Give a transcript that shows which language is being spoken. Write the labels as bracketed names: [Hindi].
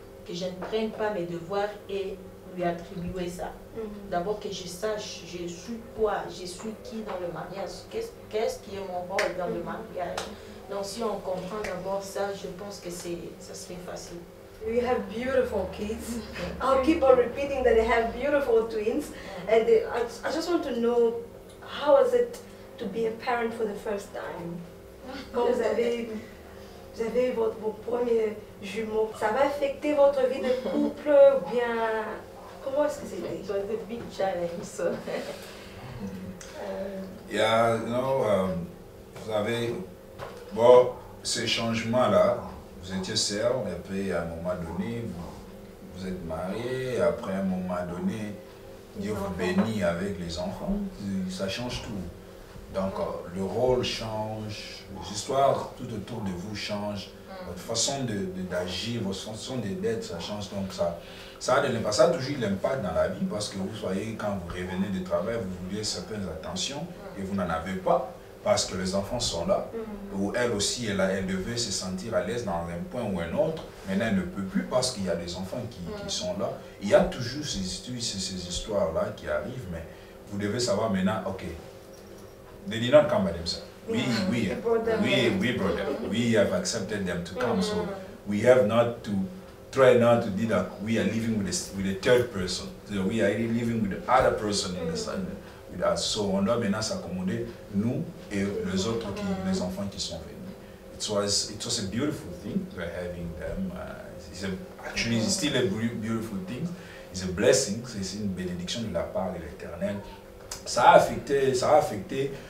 [French] Que je ne prenne pas mes devoirs et lui attribuer ça. D'abord que je sache, je suis quoi, je suis qui dans le mariage. Qu'est-ce qui est mon rôle dans le mariage? Donc si on comprend d'abord ça, je pense que ça serait facile. [English] We have beautiful kids. I'll keep on repeating that they have beautiful twins. And I just want to know, how is it to be a parent for the first time? [French] Quand vous avez vos premiers jumeaux, ça va affecter votre vie de couple ou bien... Comment est-ce que c'était? [English] It was a big challenge. So. [French] Vous savez, bon, ces changements-là, vous étiez seul, et puis à un moment donné, vous êtes marié, après un moment donné, Dieu vous bénit avec les enfants, ça change tout. Donc le rôle change, les histoires tout autour de vous changent, Votre façon d'agir, votre façon d'être, ça change. Donc ça a toujours l'impact dans la vie parce que vous voyez, quand vous revenez de travail, vous voulez certaines attentions et vous n'en avez pas parce que les enfants sont là. Mm-hmm. Ou elle aussi, elle devait se sentir à l'aise dans un point ou un autre. Maintenant, elle ne peut plus parce qu'il y a des enfants qui sont là. Il y a toujours ces histoires-là qui arrivent, mais vous devez savoir maintenant, ok. Denina, quand madame ça. Oui, brother. [English] We have accepted them to come, mm-hmm. So we have not to try not to do that. We are living with a third person. So we are living with the other person in the sun with us. [French] So on doit maintenant s'accommoder nous et les autres qui les enfants qui sont venus. [English] It was a beautiful thing. We're having them. It's still a beautiful thing. It's a blessing. [French] C'est une bénédiction de la part de l'Éternel. Ça a affecté.